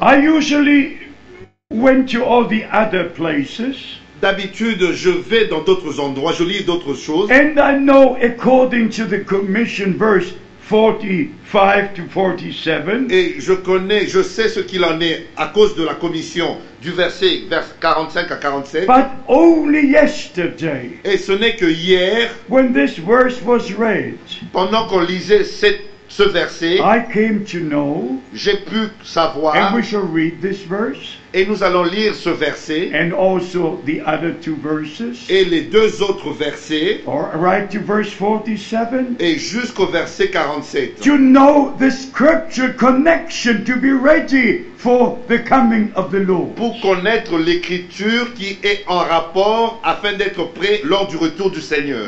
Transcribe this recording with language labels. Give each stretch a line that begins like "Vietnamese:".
English: I usually went to all the other places.
French: D'habitude, je vais dans d'autres endroits, je lis d'autres choses.
English: And I know, according to the commission, verse 45 to 47.
French: Et je connais, je sais ce qu'il en est à cause de la commission du verset vers 45 à 47.
English: But only yesterday.
French: Et ce n'est que hier.
English: When this verse was read.
French: Pendant qu'on lisait ce verset.
English: I came to know.
French: J'ai pu savoir.
English: And we shall read this verse.
French: Et nous allons lire ce verset.
English: And also the other two verses.
French: Et les deux autres versets.
English: Or right to verse 47.
French: Et jusqu'au verset 47.
English: To know the scripture connection to be ready for the coming of the Lord.
French: Pour connaître l'écriture qui est en rapport afin d'être prêt lors du retour du Seigneur.